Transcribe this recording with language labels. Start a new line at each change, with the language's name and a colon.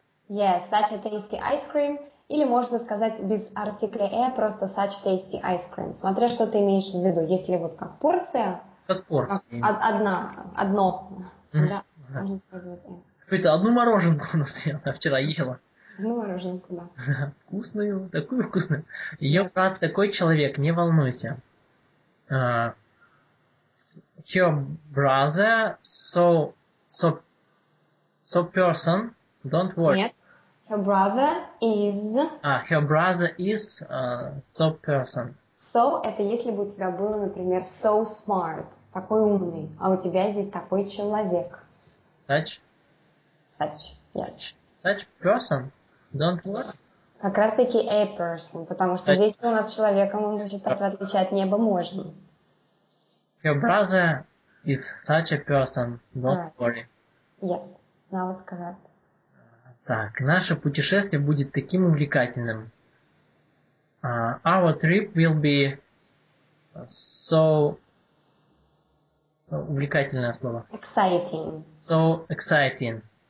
English: Yes, such a tasty ice cream.
Russian: Или можно сказать без артикля «э», просто
English: such tasty ice cream.
Russian: Смотря что ты имеешь в виду. Если вот как порция. Как порция. Как одна, одно. Mm-hmm. Да. Это одну мороженку у нас я вчера ела. Одну мороженку, да. Вкусную, такую вкусную. Ее брат такой человек, не волнуйся.
English: Her brother so person, don't worry. Нет. Her brother is... Her brother is so person.
Russian: So, это если бы у тебя было, например,
English: so smart,
Russian: такой умный, а у тебя здесь такой человек.
English: Such? Such, yes. Such person, don't worry.
Russian: Как раз таки
English: a person,
Russian: потому что
English: such.
Russian: Здесь у нас человека, мы можем так в отличие от неба, можем.
English: Her brother is such a person, don't worry. Yes, now it's correct.
Russian: Так, наше путешествие будет таким увлекательным.
English: Our trip will be so...
Russian: Увлекательное слово.
English: Exciting. So exciting.